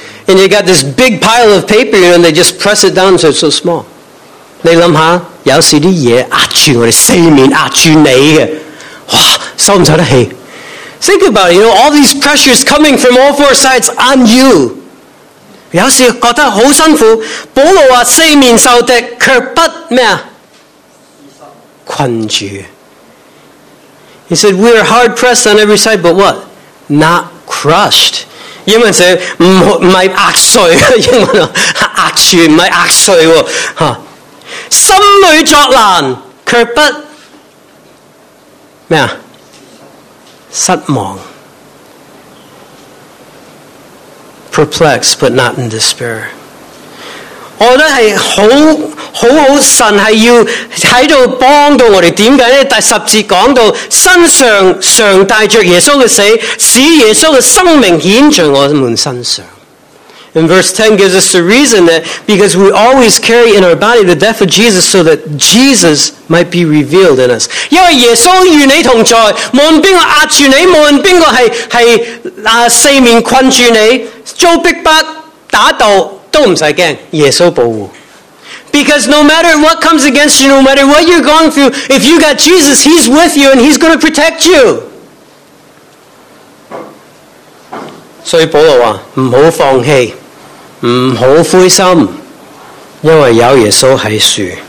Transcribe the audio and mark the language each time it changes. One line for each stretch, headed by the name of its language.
English: And you got this big pile of paper, you know, and they just press it down so it's so small.
Cantonese: 你谂下，有时啲嘢压住我哋四面，压住你嘅，哇，受唔受得起
English: ？Think about it, you know, all these pressures coming from all four sides on you.
Cantonese: 有时觉得好辛苦，保罗话四面受敌，却不咩啊？困住。
English: He said we are hard pressed on every side, but what? Not crushed.
Cantonese: 英文写唔系压碎，英文压住唔系压碎，吓心里作难，却不咩啊？失望。
English: Perplexed, but not in despair.
Cantonese: 我觉得系好神系要喺度帮到我哋。点解咧？第十节讲到身上常带着耶稣嘅死，使耶稣嘅生命显在我们身上。
English: And verse 10 gives us the reason that because we always carry in our body the death of Jesus so that Jesus might be revealed in us.
Cantonese: 因为耶稣与你同在，无论边个压住你，无论边个系四面困住你，遭逼迫打斗，都唔使惊，耶稣保护。
English: Because no matter what comes against you, no matter what you're going through, if you got Jesus, He's with you and He's going to protect you.
Cantonese: 所以保罗说，唔好放弃，唔好灰心，因为有耶稣喺树。